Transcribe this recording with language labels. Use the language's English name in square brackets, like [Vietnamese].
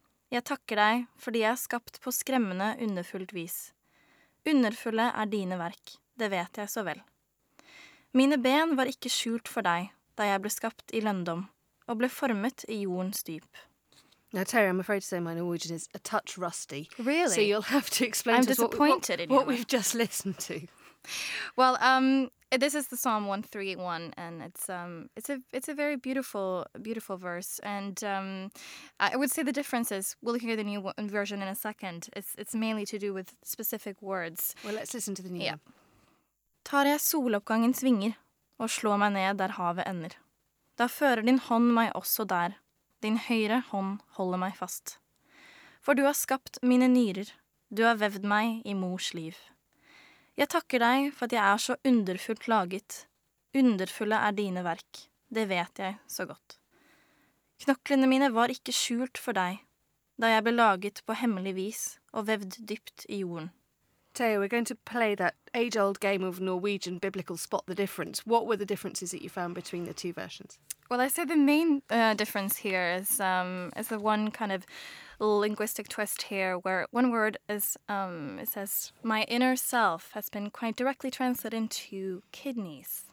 [Norwegian] Jeg takker deg fordi jeg er skapt på skremmende, underfullt vis. Underfulle er dine verk. Det vet jeg så vel. Mine ben var ikke skjult for deg da jeg ble skapt i lønndom og ble formet i jordens dyp. [English] Now, Terry, I'm afraid to say my Norwegian is a touch rusty. Really? So you'll have to explain to us what we've just listened to. Well, this is the Psalm 131, and it's a very beautiful verse. And I would say the difference is, we'll hear the new version in a second. It's mainly to do with specific words. Well, let's listen to the new. [Norwegian] Yeah. Tar jeg soloppgangen svinger og slår meg ned der havet ender. Da fører din hånd meg også der. Din høyre hånd holder meg fast. For du har skapt mine nyrer. Du har vevd meg i mors liv. Jeg takker deg for at jeg er så underfullt laget. Underfulle er dine verk. Det vet jeg så godt. Knoklene mine var ikke skjult for deg, da jeg ble laget på hemmelig vis og vevd dypt i jorden. [English] Theo, we're going to play that age-old game of Norwegian biblical spot the difference. What were the differences that you found between the two versions? Well, I say the main difference here is the one kind of linguistic twist here, where one word is it says my inner self has been quite directly translated into kidneys.